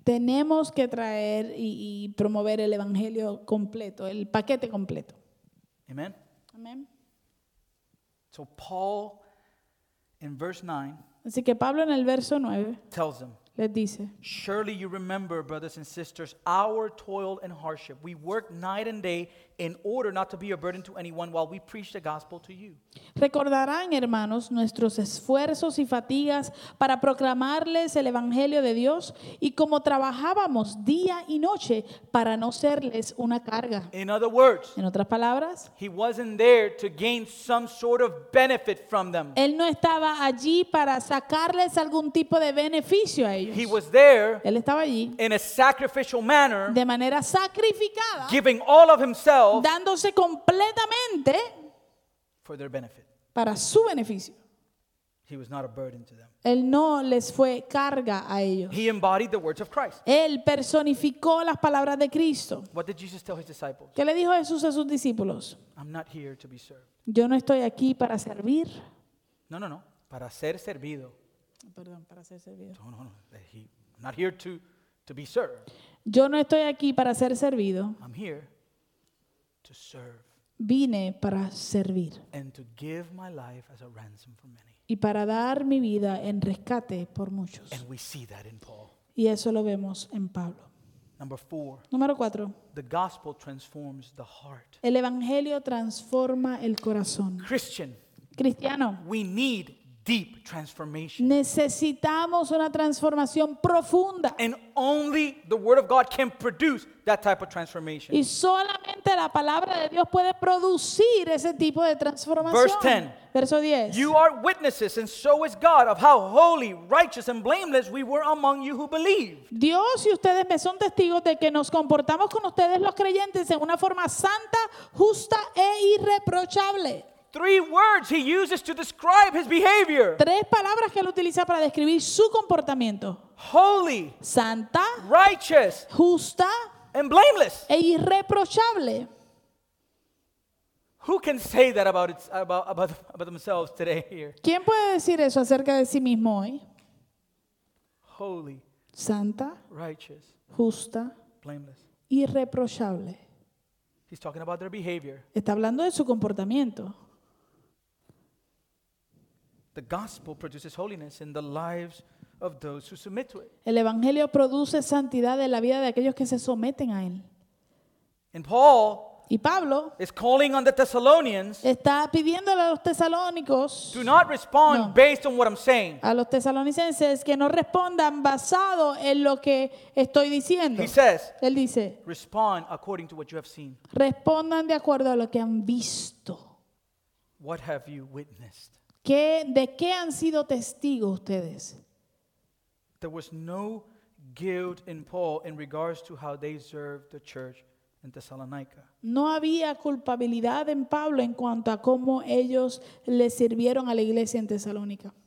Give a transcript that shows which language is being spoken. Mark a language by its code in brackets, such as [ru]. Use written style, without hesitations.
[es] Tenemos que traer y promover el Evangelio completo, el paquete completo. Amen. Amen. [en] So Paul, in verse 9, [es] así que Pablo en el verso 9 [en] tells them, [es] les dice, [en] surely you remember, brothers and sisters, our toil and hardship. We work night and day in order not to be a burden to anyone while we preach the gospel to you. [es] Recordarán, hermanos, nuestros esfuerzos y fatigas para proclamarles el Evangelio de Dios y cómo trabajábamos día y noche para no serles una carga. [en] In other words, [es] en otras palabras, [en] he wasn't there to gain some sort of benefit from them. [es] Él no estaba allí para sacarles algún tipo de beneficio a ellos. [en] He was there, [es] él estaba allí, [en] in a sacrificial manner, [es] de manera sacrificada, [en] giving all of himself, [es] dándose completamente [en] for their benefit. [es] Para su beneficio. [en] He was not a burden to them. [es] Él no les fue carga a ellos. [en] He embodied the words of Christ. [es] Él personificó las palabras de Cristo. [en] What did Jesus tell his disciples? [es] ¿Qué le dijo Jesús a sus discípulos? [en] I'm not here to be served. [es] Yo no estoy aquí para servir. No. Para ser servido. Perdón, para ser servido. [en] No. I'm not here to be served. [es] Yo no estoy aquí para ser servido. [en] I'm here to serve. [es] Vine para servir. [en] And to give my life as a ransom for many. [es] Y para dar mi vida en rescate por muchos. [en] And we see that in Paul. [es] Y eso lo vemos en Pablo. [en] Number four. [es] Número cuatro. [en] The gospel transforms the heart. [es] El evangelio transforma el corazón. [en] Christian. [es] Cristiano. [en] We need deep transformation. [es] Necesitamos una transformación profunda. [en] And only the word of God can produce that type of transformation. [es] Y solamente la palabra de Dios puede producir ese tipo de transformación. [en] Verse 10. [es] Verso 10. [en] You are witnesses, and so is God, of how holy, righteous, and blameless we were among you who believe. [es] Dios y ustedes me son testigos de que nos comportamos con ustedes los creyentes en una forma santa, justa e irreprochable. [en] Three words he uses to describe his behavior. [es] Tres palabras que él utiliza para describir su comportamiento. [en] Holy. [es] Santa. [en] Righteous. [es] Justa. [en] And blameless. [es] E irreprochable. [en] Who can say that about themselves today here? [es] ¿Quién puede decir eso acerca de sí mismo hoy? [en] Holy. [es] Santa. [en] Righteous. [es] Justa. [en] Blameless. [es] Irreprochable. [en] He's talking about their behavior. [es] Está hablando de su comportamiento. [en] The gospel produces holiness in the lives of those who submit to it. [es] El evangelio produce santidad en la vida de aquellos que se someten a él. [en] And Paul, [es] y Pablo, [en] is calling on the Thessalonians. [es] Está pidiéndole a los tesalónicos. [en] Do not respond based on what I'm saying. [es] A los tesalonicenses que no respondan basado en lo que estoy diciendo. [en] He says. [es] Él dice. [en] Respond according to what you have seen. [es] Respondan de acuerdo a lo que han visto. [en] What have you witnessed? [es] ¿De qué han sido testigos ustedes? [en] There was no guilt in Paul in regards to how they served the church in Thessalonica. [es] No había culpabilidad en Pablo en cuanto a cómo ellos le sirvieron a la iglesia en Tesalónica.